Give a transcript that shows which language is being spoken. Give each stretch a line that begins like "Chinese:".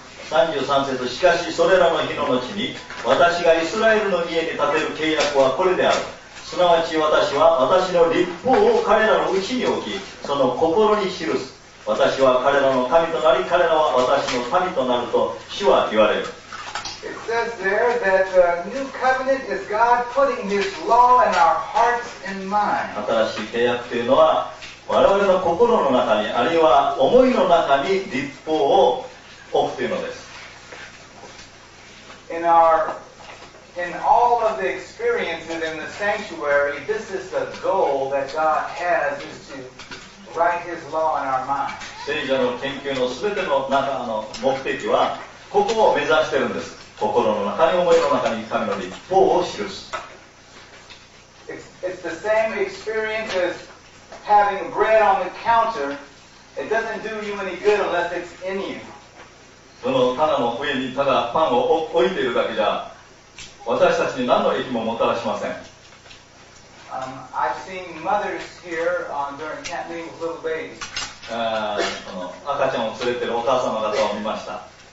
Japanese: 33節、しかしそれらの日の後に私がイスラエルの家に立てる契約はこれである。すなわち私は私の律法を彼らのうちに置き、その心に記す。私は彼らの神となり、彼らは私の民となると主は言われる。
English: It says there that the new covenant is God putting His law in our hearts and mind.
Japanese: 新しい契約というのは我々の心の中に、あるいは思いの中に律法を置くというのです。
English: In all of the experiences in the sanctuary, this is the goal that God has, is to write His law in our mind.
Japanese: 聖者の研究のすべての中の目的はここを目指しているんです。心の中に、思いの中に神の律法を記す。
English: It's the same experience as having bread on the counter. It doesn't do you any good unless it's in you.
Japanese: そのただの上にただパンを置いているだけじゃ、私たちに何の益ももたらしません。この赤ちゃんを連れているお母様方を見ました。